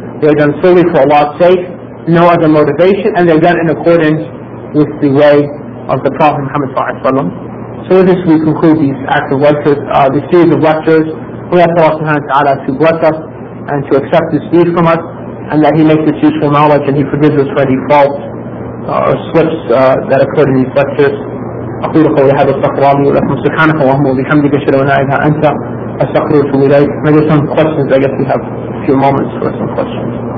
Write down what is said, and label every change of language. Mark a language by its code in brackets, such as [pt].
[en] They are done solely for Allah's sake, no other motivation, and they're done in accordance with the way of the Prophet Muhammad sallallahu alaihi wasallam. So with this we conclude these acts of lectures, this series of lectures. We ask Allah subhanahu wa ta'ala to bless us and to accept this deed from us, and that he makes us useful knowledge and he forgives us for any faults or slips that occurred in these lectures. [ar] أقول قولي هذا استغفر الله لي ولكم سبحانك اللهم وبحمدك اشهد ان لا اله الا انت استغفرك واتوب. [en] Maybe some questions, I guess we have a few moments for some questions.